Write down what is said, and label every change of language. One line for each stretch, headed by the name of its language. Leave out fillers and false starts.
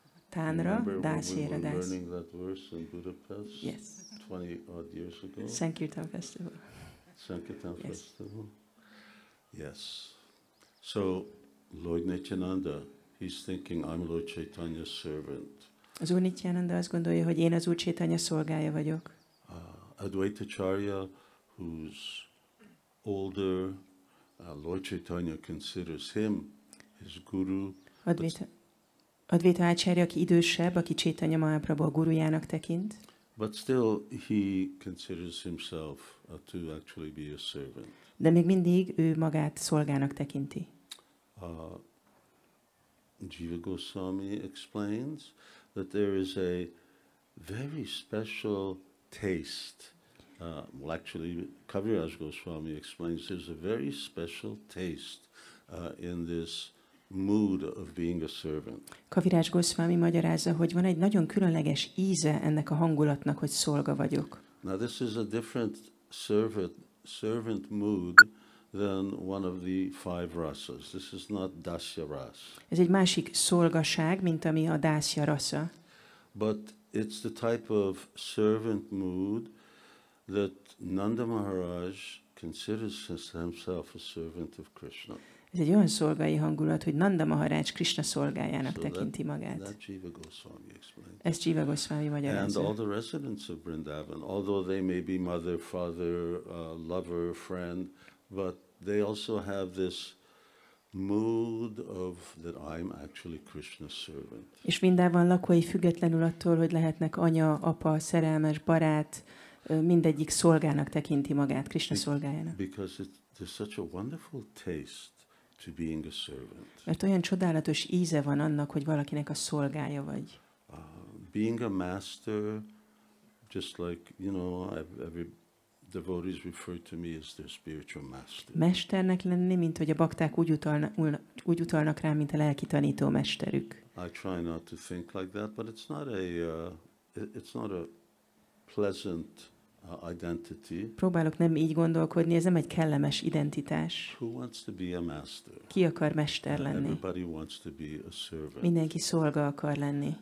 English: Tanra, Das, Hira Das. Remember when we were learning that verse in Budapest? Yes. 20 odd years ago? Sankirtan Festival. Sankirtan Festival. Yes. So, Lord Nityananda, he's thinking, I'm Lord Chaitanya's servant.
Hungarian: Az Úr Nityananda azt gondolja, hogy én az Úr Chaitanya szolgája vagyok.
English: Advaita Acharya, who's older, Lord Chaitanya considers him his guru.
Hungarian: Advaita Acharya, aki idősebb, aki Chaitanya Mahaprabhu a gurujának tekint.
English: But still he considers himself to actually be a servant.
Hungarian: De még mindig ő magát szolgának tekinti.
English: Jiva Goswami explains that there is a very special taste. Well, actually, Kaviraj Goswami explains there's a very special taste in this mood of being a servant.
Hungarian: Kaviraj Goswami magyarázza, hogy van egy nagyon különleges íze ennek a hangulatnak, hogy szolga vagyok.
English: Now, this is a different servant mood than one of the five rasas. This is not dasya ras.
Hungarian: Ez egy másik szolgaság, mint ami a dasya rasa.
English: But it's the type of servant mood that Nanda Maharaj considers himself a servant of Krishna.
Hungarian: Ez egy olyan szolgai hangulat, hogy Nanda Maharaj Krishna szolgájának tekinti magát.
English: That Jiva Goswami explains.
Hungarian: Ez Jiva Goswami magyarázza.
English: And all the residents of Vrindavan, although they may be mother, father, lover, friend, but they also have this mood of that I'm actually Krishna's servant.
Hungarian: És Vrindavan lakói függetlenül attól, hogy lehetnek anya, apa, szerelmes, barát, mindegyik szolgának tekinti magát, Krishna szolgájának.
English: Because there's such a wonderful taste to being a servant.
Hungarian: Mert olyan csodálatos íze van annak, hogy valakinek a szolgája vagy.
English: Being a master, just like, you know, every devotees refer to me as their spiritual master.
Hungarian: Mesternek lenni, mint hogy a bakták úgy utalnak rám, mint a lelki tanító mesterük.
English: I try not to think like that, but it's not a pleasant identity.
Hungarian: Próbálok nem így gondolkodni, ez nem egy kellemes identitás.
English: Who wants to be a master?
Hungarian: Ki akar mester lenni?
English: Everybody wants to be a servant.
Hungarian: Mindenki szolga akar lenni.